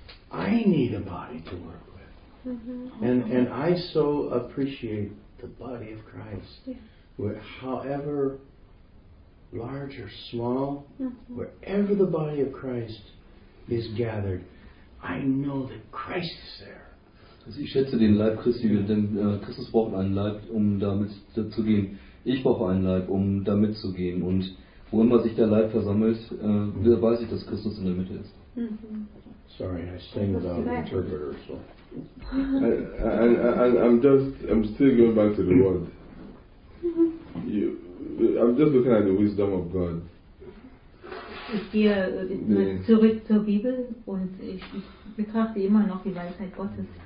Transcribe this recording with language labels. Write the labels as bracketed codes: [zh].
[en] I need a body to work with. And I so appreciate the body of Christ. However large or small, wherever the body of Christ is gathered, I know that Christ is there. [de] Also ich schätze den Leib Christi, denn Christus braucht einen Leib, um damit zu gehen. Ich brauche einen Leib, um damit zu gehen. Und wo immer sich der Leib versammelt, weiß ich, dass Christus in der Mitte ist. [en] Sorry, I sing without an interpreter. So. I'm still going back to the word. You, I'm just looking at the wisdom of God.